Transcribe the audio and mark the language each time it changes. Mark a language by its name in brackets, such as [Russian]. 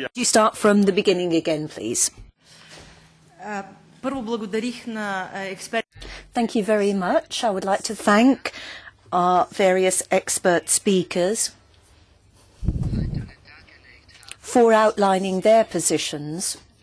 [English] Yeah. You start from the beginning again, please. [Bulgarian] Първо благодарих на експерт. [English] Thank you very much. I would like to thank our various expert speakers for outlining their positions.